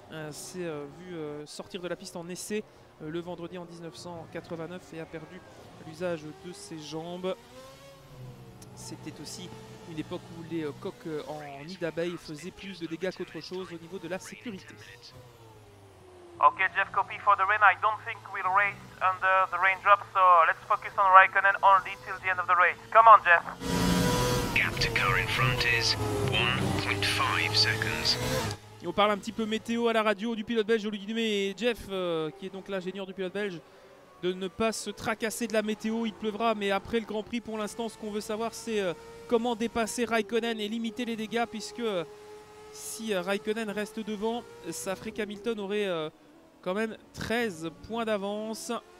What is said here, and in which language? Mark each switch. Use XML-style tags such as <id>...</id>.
<fr>S'est vu sortir de la piste en essai le vendredi en 1989 et a perdu l'usage de ses jambes. C'était aussi une époque où les coques en nid d'abeilles faisaient plus de dégâts qu'autre chose au niveau de la sécurité.</fr> <en>Ok, Jeff, copy for the rain. I don't think we'll race under the raindrop, so let's focus on Raikkonen only till the end of the race. Come on, Jeff. Gap to car in front is 1.5 seconds.</en> <fr>Et on parle un petit peu météo à la radio du pilote belge. Je lui dis, mais Jeff, qui est donc l'ingénieur du pilote belge, de ne pas se tracasser de la météo, il pleuvra. Mais après le Grand Prix, pour l'instant, ce qu'on veut savoir, c'est comment dépasser Raikkonen et limiter les dégâts, puisque... Si Raikkonen reste devant, ça ferait qu'Hamilton aurait quand même 13 points d'avance.</fr>